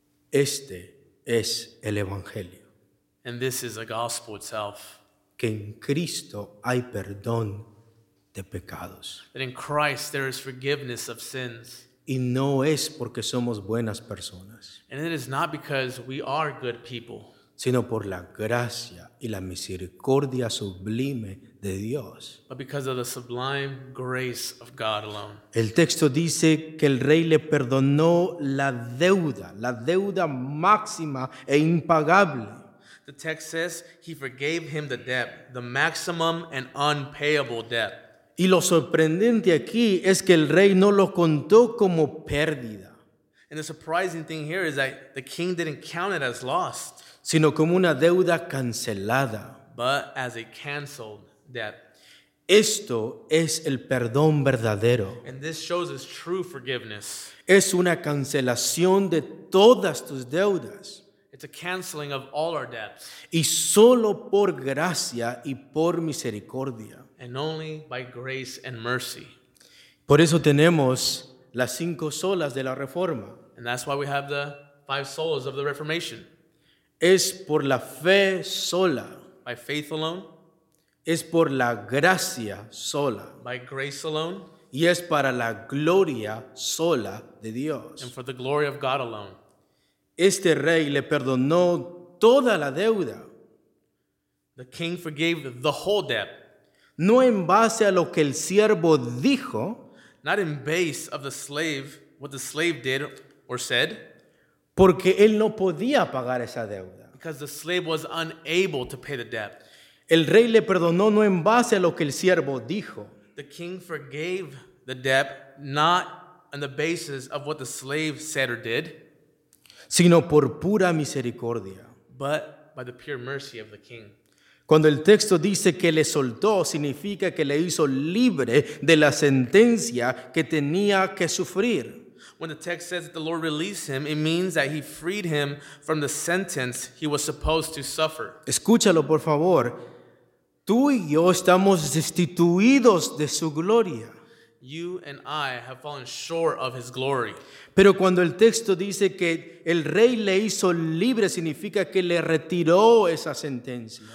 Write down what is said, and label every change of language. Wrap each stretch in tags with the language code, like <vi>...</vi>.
<es>Este es el Evangelio.</es> <en>And this is the gospel itself.</en> <es>Que en Cristo hay perdón de pecados.</es> <en>That in Christ there is forgiveness of sins.</en> <es>Y no es porque somos buenas personas.</es> <en>And it is not because we are good people.</en> <es>Sino por la gracia y la misericordia sublime de Dios.</es> <en>But because of the sublime grace of God alone.</en> <es>El texto dice que el rey le perdonó la deuda máxima e impagable.</es> <en>The text says he forgave him the debt, the maximum and unpayable debt.</en> <es>Y lo sorprendente aquí es que el rey no lo contó como pérdida.</es> <en>And the surprising thing here is that the king didn't count it as lost.</en> <es>Sino como una deuda cancelada.</es> <en>But as a canceled debt.</en> <es>Esto es el perdón verdadero.</es> <en>And this shows us true forgiveness.</en> <es>Es una cancelación de todas tus deudas.</es> <en>It's a canceling of all our debts.</en> <es>Y solo por gracia y por misericordia.</es> <en>And only by grace and mercy.</en> <es>Por eso tenemos las cinco solas de la Reforma.</es> <en>And that's why we have the five solas of the Reformation.</en> <es>Es por la fe sola.</es> <en>By faith alone.</en> <es>Es por la gracia sola.</es> <en>By grace alone.</en> <es>Y es para la gloria sola de Dios.</es> <en>And for the glory of God alone.</en> <es>Este rey le perdonó toda la deuda.</es> <en>The king forgave the whole debt.</en> <es>No en base a lo que el siervo dijo.</es> <en>Not in base of the slave, what the slave did or said.</en> <es>Porque él no podía pagar esa deuda.</es> <en>Because the slave was unable to pay the debt.</en> <es>El rey le perdonó no en base a lo que el siervo dijo.</es> <en>The king forgave the debt not on the basis of what the slave said or did.</en> <es>Sino por pura misericordia.</es> <en>But by the pure mercy of the king.</en> <es>Cuando el texto dice que le soltó, significa que le hizo libre de la sentencia que tenía que sufrir.</es> <en>When the text says that the Lord released him, it means that he freed him from the sentence he was supposed to suffer.</en> <es>Escúchalo, por favor. Tú y yo estamos destituidos de su gloria.</es> <en>You and I have fallen short of his glory.</en> <es>Pero cuando el texto dice que el rey le hizo libre, significa que le retiró esa sentencia.</es>